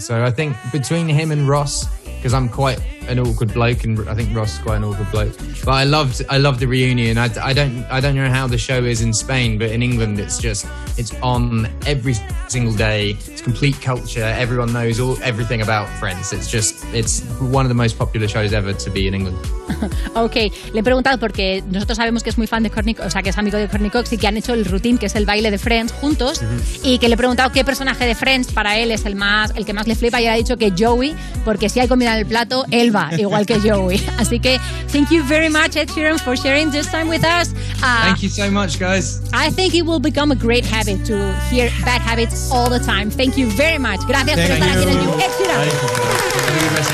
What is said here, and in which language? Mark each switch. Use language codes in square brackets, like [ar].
[en] So I think between him and Ross, because I'm quite an awkward bloke and I think Ross is quite an awkward bloke. But I loved the reunion. I don't know how the show is in Spain, but in England it's on every single day. It's complete culture. Everyone knows everything about Friends. It's one of the most popular shows ever to be in England. [es] Okay, le he preguntado porque nosotros sabemos que es muy fan de Courtney, o sea, que es amigo de Courtney Cox y que han hecho el routine, que es el baile de Friends juntos, y que le he preguntado qué personaje de Friends para él es el que más le flipa, y ha dicho que Joey, porque si hay comida en el plato, él va, igual que Joey. Así que [en] thank you very much, Ed Sheeran, for sharing this time with us. Thank you so much, guys. I think it will become a great habit to hear bad habits all the time. Thank you very much. [es] Gracias por estar aquí en el New Ed Sheeran.